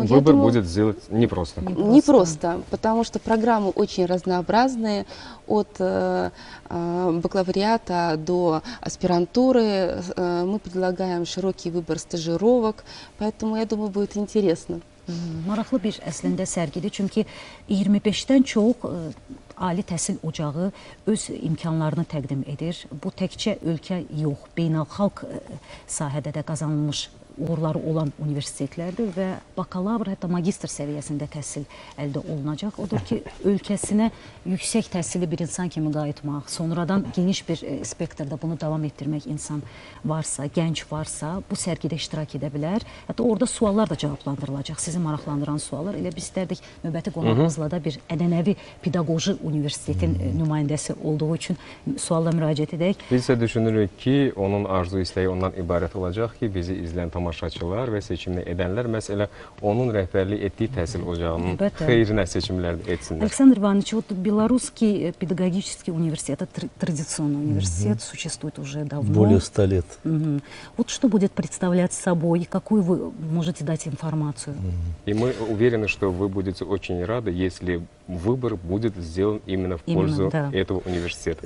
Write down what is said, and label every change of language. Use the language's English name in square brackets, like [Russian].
[Russian] выбор думаю, будет сделать непросто. Непросто, потому что программы очень разнообразные, от бакалавриата до аспирантуры. Мы предлагаем широкий выбор стажировок, поэтому, я думаю, будет интересно. [Azerbaijani] Maraqlı bir əslində sərgidir, çünki 25-dən çox ali təhsil ocağı öz imkanlarını təqdim edir. Bu təkcə ölkə yox, beynəlxalq sahədə də qazanılmış uğurları olan universitetlərdir və bakalavr, hətta magistr səviyyəsində təhsil əldə olunacaq. Odur ki, ölkəsinə yüksək təhsili bir insan kimi qayıtmaq, sonradan geniş bir spektrdə bunu davam etdirmək insan varsa, gənc varsa bu sərgidə iştirak edə bilər. Hətta orada suallar da cavablandırılacaq, sizi maraqlandıran suallar. Elə biz istərdik növbəti qonağımızla da bir ədənəvi pedagoji universitetin nümayəndəsi olduğu üçün sualla müraciət edək. Biz isə düşünürük ki, onun arzu istəyi ondan ibarət olacaq ki, bizi izləyən tamam tamaşaçılar və seçimini edənlər məhz elə onun rəhbərliyi etdiyi təhsil ocağının xeyrinə seçimlər etsinlər. [Russian] Александр Иванович, вот Белорусский педагогический университет, традиционный университет, существует уже давно. Более 100 лет. Вот что будет представлять собой, какую вы можете дать информацию? И мы уверены, что вы будете очень рады, если выбор будет сделан именно в пользу этого университета.